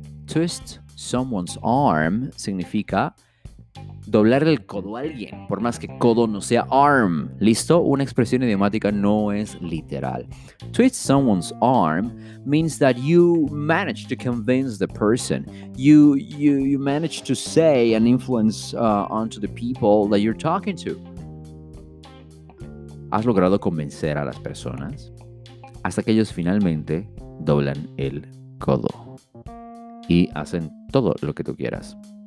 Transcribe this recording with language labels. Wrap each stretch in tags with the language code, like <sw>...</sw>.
<es>Twist someone's arm significa doblar el codo a alguien, por más que codo no sea arm. ¿Listo? Una expresión idiomática no es literal.</es> <en>Twist someone's arm means that you manage to convince the person. You manage to say and influence onto the people that you're talking to.</en> <es>¿Has logrado convencer a las personas? Hasta que ellos finalmente doblan el codo y hacen todo lo que tú quieras.</es>